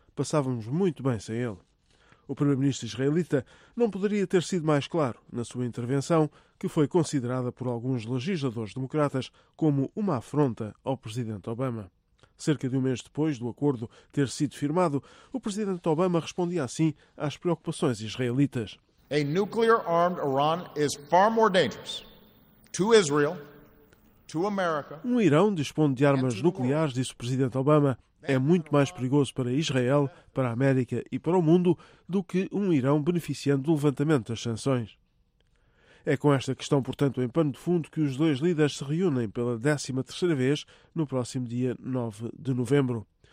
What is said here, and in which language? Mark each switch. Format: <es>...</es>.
<pt>Passávamos muito bem sem ele. O primeiro-ministro israelita não poderia ter sido mais claro na sua intervenção, que foi considerada por alguns legisladores democratas como uma afronta ao presidente Obama. Cerca de um mês depois do acordo ter sido firmado, o presidente Obama respondia assim às preocupações israelitas.</pt> <en>A nuclear-armed Iran is far more dangerous to Israel.</en> <pt>Um Irão dispõe de armas nucleares, disse o presidente Obama, é muito mais perigoso para Israel, para a América e para o mundo do que um Irão beneficiando do levantamento das sanções. É com esta questão, portanto, em pano de fundo, que os dois líderes se reúnem pela 13ª vez no próximo dia 9 de novembro.</pt>